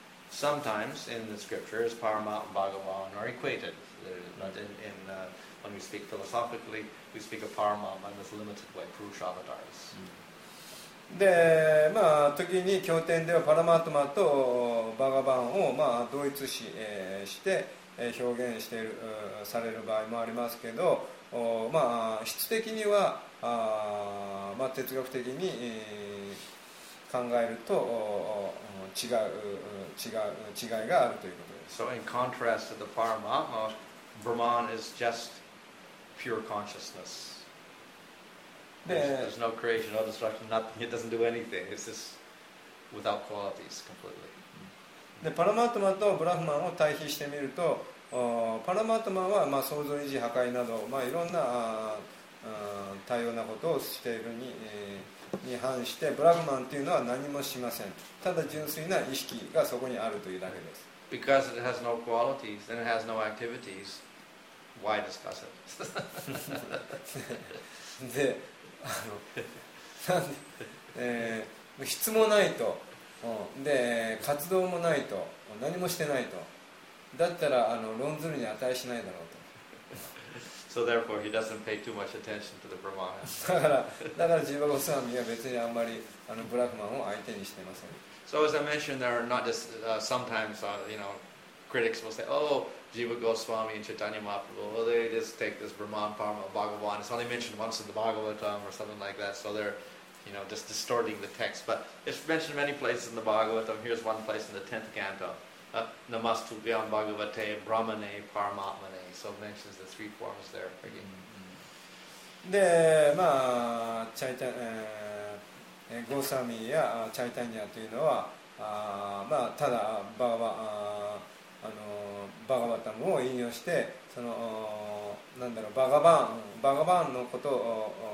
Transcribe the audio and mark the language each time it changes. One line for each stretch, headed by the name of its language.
English: Sometimes in the scriptures, Paramatma Bhagavan are equated, but in when we speak philosophically, we speak of Paramatma in this limited way, Purusha avatars.
Japanese: で、まあ時に経典ではパラマートマとバガバンをまあ同一視して表現しているされる場合もありますけど、まあ質的にはまあ、哲学的に考えると違いがあるということです。
English: So in contrast to the Paramatma, Brahman is just pure consciousness. There's no creation, no destruction, nothing. It doesn't do anything. It's just without qualities completely.
Japanese: で、パラマートマとブラフマンを対比してみると、パラマートマはまあ創造維持破壊などまあいろんな多様なことをしているに反してブラフマンというのは何もしません。ただ純粋な意識がそこにあるというだけです。
English: Because it has no qualities and it has no activities, why discuss it?
Japanese: で、質もないと、で、活動もないと、何もしてないと、だったら論ずるに値しないだろうと。
English: So therefore, he doesn't pay too much attention to the Brahman.
Japanese: だからジーバゴスワミは別にあんまりブラフマンを相手にしていません。
English: So as I mentioned, there are not just sometimes critics will say, oh, Jiva Goswami and Chaitanya Mahaprabhu, well, they just take this Brahman, Parama, Bhagavan. It's only mentioned once in the Bhagavatam or something like that. So they're, just distorting the text. But it's mentioned many places in the Bhagavatam. Here's one place in the 10th canto.
Sanskrit: Namastu Vyam Bhagavate Brahmane Paramatmane.
English: So it mentions the three forms there again.
Japanese: で、まあ、ゴサミやチャイタニアというのは、まあ、ただバガバタムを引用して、その、なんだろう、バガバンのこと